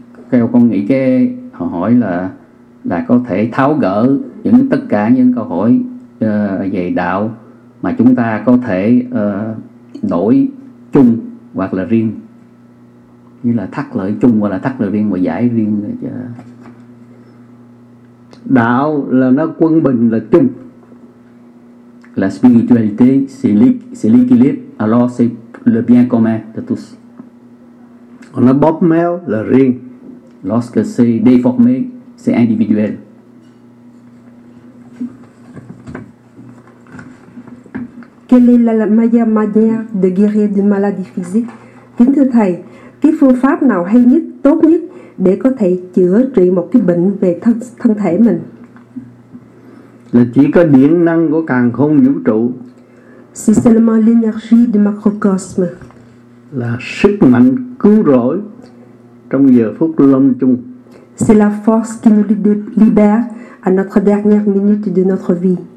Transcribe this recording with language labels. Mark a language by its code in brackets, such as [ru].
[vi] Theo con nghĩ cái họ hỏi là có thể tháo gỡ những tất cả những câu hỏi về đạo mà chúng ta có thể đổi chung hoặc là riêng. Như là thắt lợi chung hoặc là thắt lợi riêng và giải riêng. Đạo là nó quân bình là chung. [fr] La spiritualité, c'est l'équilibre, alors c'est le bien commun de tous. On a [vi] bóp méo là riêng. [fr] Lorsque c'est déformé, c'est individuel. Quelle est la meilleure manière de guérir des maladies physiques? [vi] Kính thưa thầy, cái phương pháp nào hay nhất, tốt nhất để có thể chữa trị một cái bệnh về thân thể mình? Là chỉ có điện năng của càn khôn vũ trụ. [fr] C'est seulement l'énergie du macrocosme. [vi] Là sức mạnh cứu rỗi trong giờ phút lâm chung. [fr] C'est la force qui nous libère à notre dernière minute de notre vie.